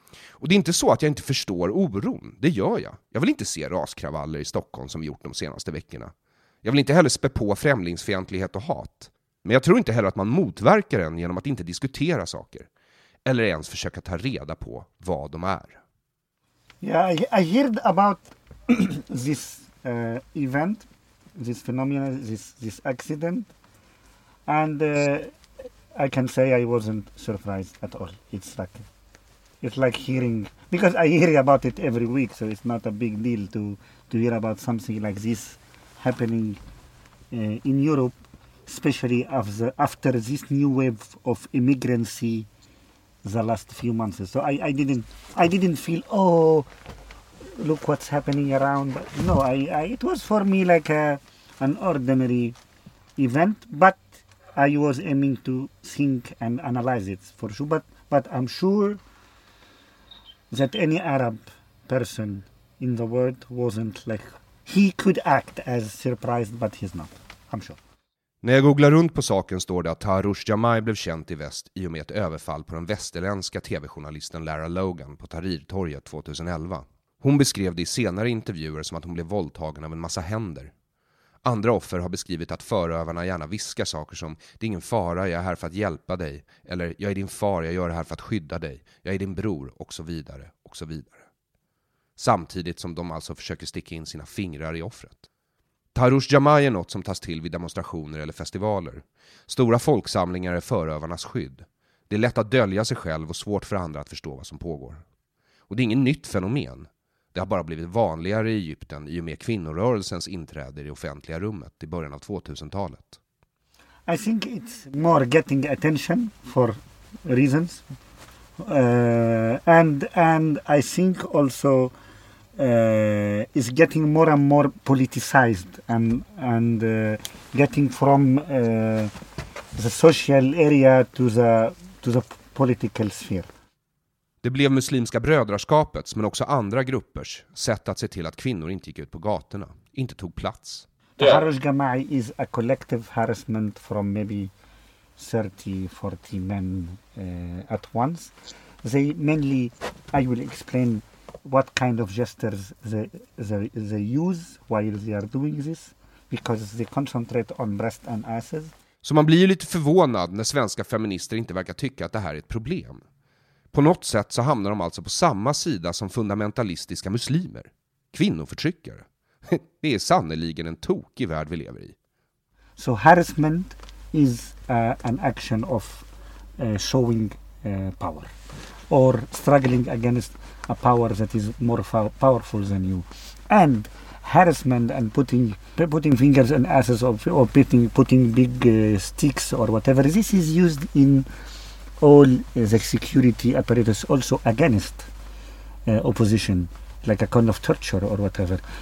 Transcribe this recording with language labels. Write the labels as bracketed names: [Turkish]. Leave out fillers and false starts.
[Swedish] Och det är inte så att jag inte förstår oron. Det gör jag. Jag vill inte se raskravaller i Stockholm som vi gjort de senaste veckorna. Jag vill inte heller spä på främlingsfientlighet och hat. Men jag tror inte heller att man motverkar den genom att inte diskutera saker. Eller ens försöka ta reda på vad de är. [English] Yeah, I heard about this event, this phenomenon, this accident. And I can say I wasn't surprised at all. It's like hearing, because I hear about it every week, so it's not a big deal to hear about something like this happening in Europe, especially after this new wave of immigrancy the last few months. So I didn't feel, oh, look what's happening around. No, it was for me like an ordinary event, but I was aiming to think and analyze it for sure. But I'm sure that any Arab person in the world wasn't like, he could act as surprised, but he's not, I'm sure. [Swedish] När jag googlar runt på saken står det att Taharrushed Jamai blev känt i väst i och med ett överfall på den västerländska tv-journalisten Lara Logan på Tahrirtorget 2011. Hon beskrev det i senare intervjuer som att hon blev våldtagen av en massa händer. Andra offer har beskrivit att förövarna gärna viskar saker som: det är ingen fara, jag är här för att hjälpa dig. Eller: jag är din far, jag gör det här för att skydda dig. Jag är din bror, och så vidare, och så vidare. Samtidigt som de alltså försöker sticka in sina fingrar i offret. Taharrushed Jamai är något som tas till vid demonstrationer eller festivaler. Stora folksamlingar är förövarnas skydd. Det är lätt att dölja sig själv och svårt för andra att förstå vad som pågår. Och det är ingen nytt fenomen. Det har bara blivit vanligare i Egypten i och med kvinnorörelsens inträde i det offentliga rummet i början av 2000-talet. [English] I think it's more getting attention for reasons. And I think also it's getting more and more politicized and getting from the social area to the political sphere. [Swedish] Det blev muslimska brödraskapets, men också andra gruppers, sätt att se till att kvinnor inte gick ut på gatorna, inte tog plats. [English] Taharrushed Jama'i is a collective harassment from maybe 30-40 men at once. They mainly, I will explain what kind of gestures they use while they are doing this, because they concentrate on breast and asses. [Swedish] Så man blir ju lite förvånad när svenska feminister inte verkar tycka att det här är ett problem. På något sätt så hamnar de alltså på samma sida som fundamentalistiska muslimer, kvinnoförtryckare. Det är sannoliken en tokig värld vi lever i. [English] So harassment is an action of showing power or struggling against a power that is more powerful than you. And harassment and putting fingers and asses or putting big sticks or whatever, this is used in all the security apparatus also against opposition, like a kind of torture or whatever.